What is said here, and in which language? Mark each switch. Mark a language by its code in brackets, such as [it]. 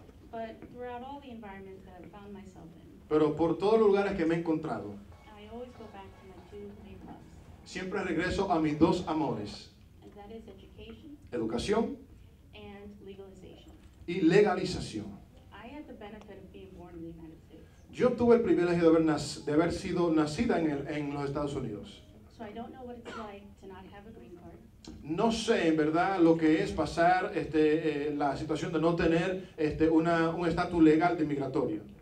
[en] But throughout all the environments that I've found myself in, [es] pero por todos los lugares que me he encontrado. [en] I always go back to my two main loves. [es] Siempre regreso a mis dos amores. [en] And that is education. [es] Educación. [en] And legalization. [es] Y legalización. [en] I had the benefit of being born in the United States. [es] Yo tuve el privilegio de haber sido nacida en los Estados Unidos. [en] So I don't know what it's like to not have a green card. [es] No sé, en verdad, lo que es pasar la situación de no tener un estatus legal de migratorio.